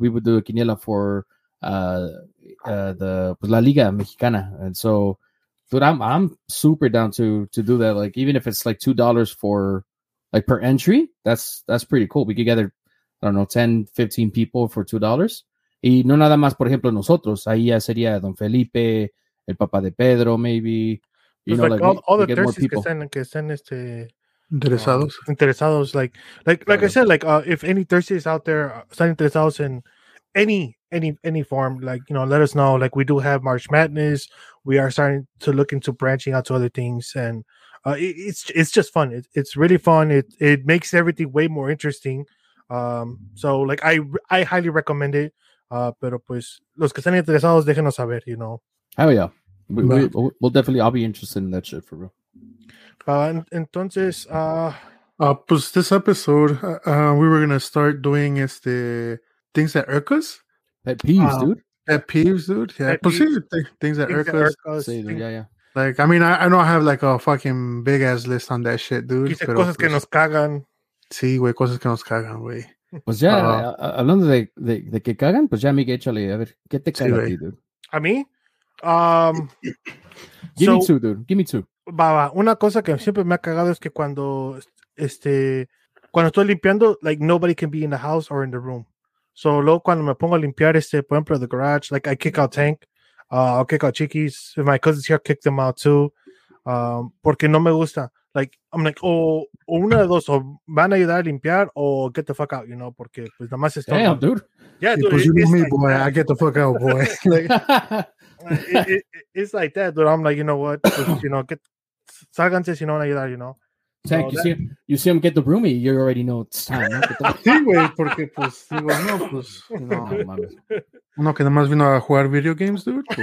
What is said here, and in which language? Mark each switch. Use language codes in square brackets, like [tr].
[en] We would do a quiniela for the La Liga Mexicana. And so, dude, I'm super down to do that. Like, even if it's, like, $2 for, like, per entry, that's pretty cool. We could gather, I don't know, 10, 15 people for $2. [es] Y no nada más, por ejemplo, nosotros. Ahí ya sería Don Felipe, el papá de Pedro, maybe. [en] You know, like all the thirsties que estén [es] interesados. [en] Interesados, like right. I said, like if any thirsties out there están interesados in any form, like, you know, let us know. Like, we do have March Madness. We are starting to look into branching out to other things, and it's just fun. It's really fun. It makes everything way more interesting. So like I highly recommend it. [es] Pero pues, los que están interesados, déjenos saber, you know. [en] Oh, yeah. We'll definitely, I'll be interested in that shit, for real. [es] Entonces, [en] pues, this episode, we were going to start doing things that irk us. Pet peeves, dude. Yeah, pues, sí, things that irk us. Yeah. Like, I mean, I know I have, like, a fucking big-ass list on that shit, dude. [es] Dice pero, cosas pues, que nos cagan. Sí, güey, cosas que nos cagan, güey. Pues ya, hablando de que cagan, pues ya, Miguel, échale, a ver, ¿qué te caga a ti, dude? ¿A mí? [en] Give me two, dude. [es] Baba, una cosa que siempre me ha cagado es que cuando, cuando estoy limpiando, like, nobody can be in the house or in the room. [en] So, luego, cuando me pongo a limpiar, por ejemplo, the garage, like, I kick out Tank, I'll kick out Chiquis, if my cousins here, kick them out, too, porque no me gusta. [es] Like, I'm like, oh, una de dos, o van a ayudar a limpiar, o get the fuck out, you know, porque, pues, nada más [en] estoy. Damn, dude. Yeah, dude. Because you know me, like, boy, I get the fuck out, boy. Like, it's like that, dude. I'm like, you know what, pues, you know, get, salganse si no van a ayudar, you know. Tank, so you see him get the broomy, you already know it's time. [es] ¿No? Sí, güey, porque, pues, digo, no, pues, no, mames. Uno que nada más vino a jugar video games, dude.